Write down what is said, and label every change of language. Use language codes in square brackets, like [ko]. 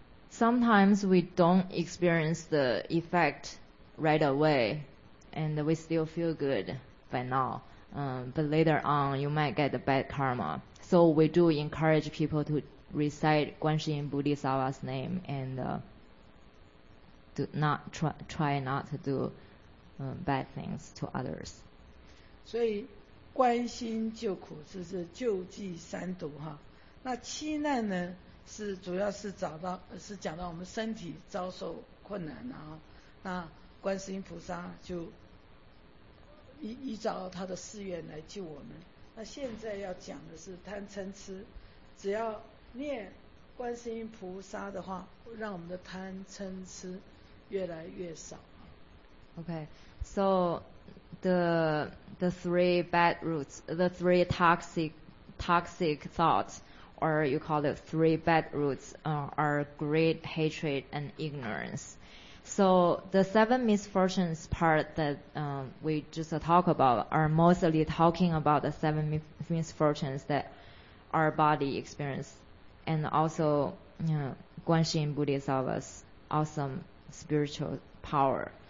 [en] Sometimes we don't experience the effect right away, and we still feel good by now. But later on, you might get the bad karma. So we do encourage people to recite Guanxin Bodhisattva's name and do not try not to do bad things to others. [zh] So, 观世音救苦是救济三毒，那七难呢是主要是讲到我们身体遭受困难，那观世音菩萨就依照他的誓愿来救我们，那现在要讲的是贪嗔痴，只要念观世音菩萨的话，让我们的贪嗔痴越来越少。Okay, [en] so the three bad roots, the three toxic thoughts, or you call it three bad roots, are greed, hatred, and ignorance. So the seven misfortunes part that we just talk about are mostly talking about the seven misfortunes that our body experience, and also Guanxin Bodhisattva's awesome spiritual power.